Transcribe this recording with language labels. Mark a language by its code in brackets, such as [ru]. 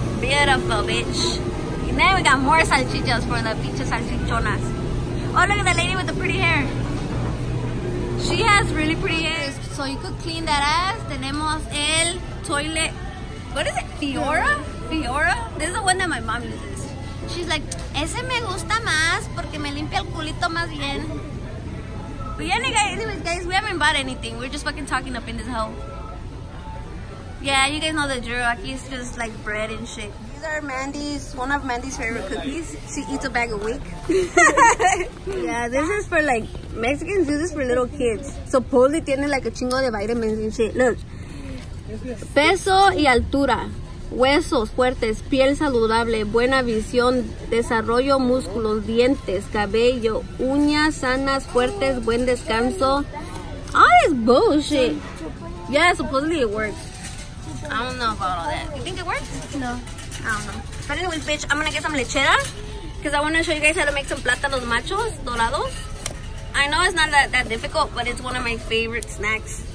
[en] Beautiful, bitch. And then we got more salchichas for the pizza salchichonas. Oh, look at the lady with the pretty hair. She has really pretty hair. So you could clean that ass. [es] Tenemos el [en] toilet. What is it? Fiora? Fiora? This is the one that my mom uses. She's like, [es] ese me gusta más porque me limpia el culito más bien. [en] But yeah, anyways, guys, we haven't bought anything. We're just fucking talking up in this hole. Yeah, you guys know the drill. Aquí is just like bread and shit. These are Mandy's, one of Mandy's favorite cookies. She eats a bag a week. Yeah, this is for like, Mexicans do this for little kids. Supposedly, tiene like a chingo de vitamins and shit. Look. [es] Peso y altura. Huesos fuertes, piel saludable, buena visión, desarrollo músculos, dientes, cabello, uñas sanas, fuertes, buen descanso. [en] All this bullshit. Yeah, supposedly it works. I don't know about all that. You think it works? No. I don't know. But anyway, bitch, I'm gonna get some lechera. Because I wanna show you guys how to make some plátanos machos, dorados. I know it's not that difficult, but it's one of my favorite snacks.